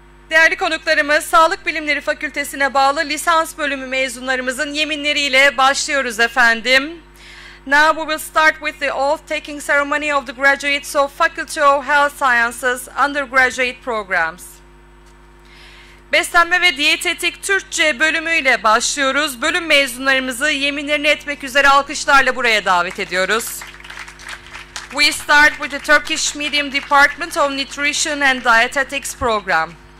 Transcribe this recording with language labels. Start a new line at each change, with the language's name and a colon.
Turkish: Değerli konuklarımız, Sağlık Bilimleri Fakültesi'ne bağlı lisans bölümü mezunlarımızın yeminleriyle başlıyoruz efendim.
English: Now we will start with the oath-taking ceremony of the graduates of Faculty of Health Sciences undergraduate programs.
Turkish: Beslenme ve Diyetetik Türkçe bölümüyle başlıyoruz. Bölüm mezunlarımızı yeminlerini etmek üzere alkışlarla buraya davet ediyoruz.
English: We start with the Turkish Medium Department of Nutrition and Dietetics program.